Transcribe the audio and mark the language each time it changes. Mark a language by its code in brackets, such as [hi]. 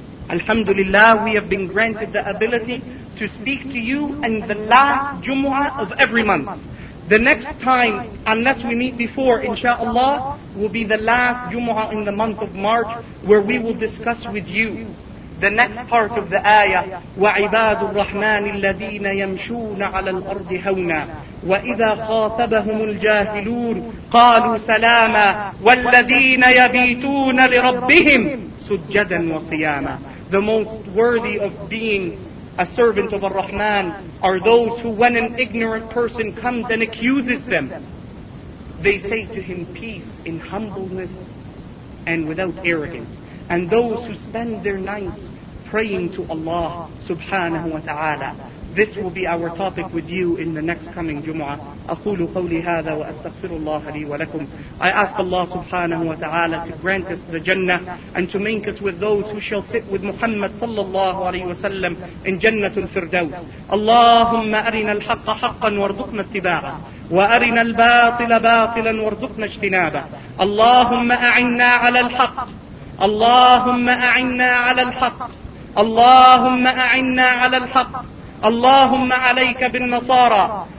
[en] Alhamdulillah, we have been granted the ability to speak to you in the last Jumu'ah of every month. The next time, unless we meet before, inshaAllah, will be the last Jumu'ah in the month of March, where we will discuss with you The next part of the ayah, [ar] وَعِبَادُ الرَّحْمَنِ الَّذِينَ يَمْشُونَ عَلَى الْأَرْضِ هَوْنًا وَإِذَا خَاطَبَهُمُ الْجَاهِلُونَ قَالُوا سَلَامًا وَالَّذِينَ يَبِيتُونَ لِرَبِّهِمْ سُجَّدًا وَقِيَامًا. [en] The most worthy of being a servant of Ar-Rahman are those who, when an ignorant person comes and accuses them, they say to him, peace, in humbleness and without arrogance. And those who spend their nights praying to Allah subhanahu wa ta'ala. This will be our topic with you in the next coming Jumu'ah. [ar] أَقُولُ قَوْلِ هَذَا وَأَسْتَغْفِرُ اللَّهَ لِي وَلَكُمْ. [en] I ask Allah subhanahu wa ta'ala to grant us the Jannah and to make us with those who shall sit with Muhammad sallallahu alayhi wa sallam in Jannatul Firdaus. [ar] اللهم أرنا الحق حقا وارزقنا اتباعه وأرنا الباطل باطلا وارزقنا اجتنابه. اللهم أعنا على الحق. اللهم أعنا على الحق. اللهم أعنا على الحق. اللهم عليك بالنصارى.